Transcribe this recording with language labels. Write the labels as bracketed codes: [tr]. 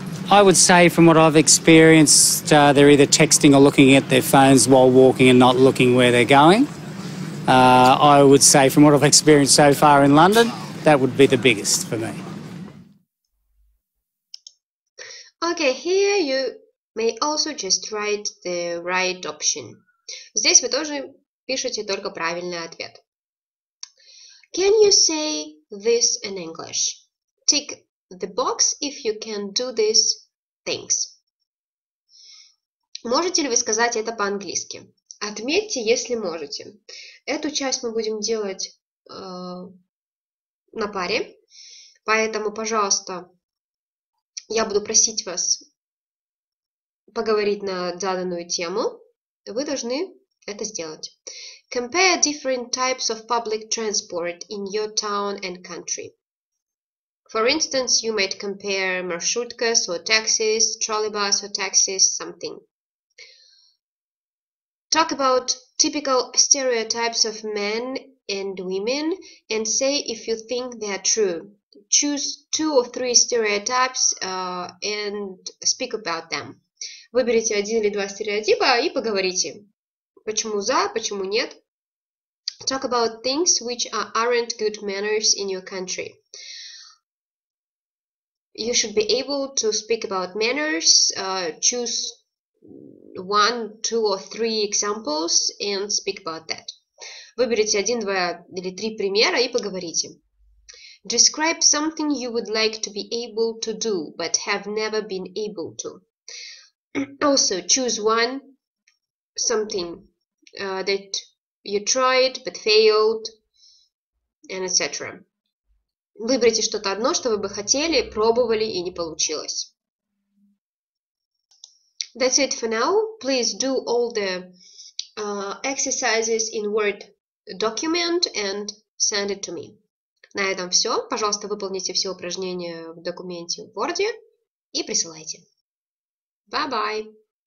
[en] I would say from what I've experienced, they're either texting or looking at their phones while walking and not looking where they're going. I would say from what I've experienced so far in London, that would be the biggest for me. Okay, here you may also just write the right option. [ru] Здесь вы тоже пишете только правильный ответ. [en] Can you say this in English? Tick the box if you can do this. Things. [ru] Можете ли вы сказать это по-английски? Отметьте, если можете. Эту часть мы будем делать на паре, поэтому, пожалуйста, я буду просить вас поговорить на заданную тему. Вы должны это сделать. [en] Compare different types of public transport in your town and country. For instance, you might compare маршруткас or taxis, trolleybus or taxis, something. Talk about typical stereotypes of men and women and say if you think they are true. Choose two or three stereotypes and speak about them. [ru] Выберите один или два стереотипа и поговорите. Почему за, почему нет? [en] Talk about things which aren't good manners in your country. You should be able to speak about manners, choose one, two or three examples and speak about that. [ru] Выберите один, два или три примера и поговорите. [en] Describe something you would like to be able to do, but have never been able to. Also, choose one, something that you tried, but failed, and etc. [ru] Выберите что-то одно, что вы бы хотели, пробовали и не получилось. [en] That's it for now. Please do all the exercises in Word document and send it to me. [ru] На этом все. Пожалуйста, выполните все упражнения в документе в Word и присылайте. [en] Bye-bye!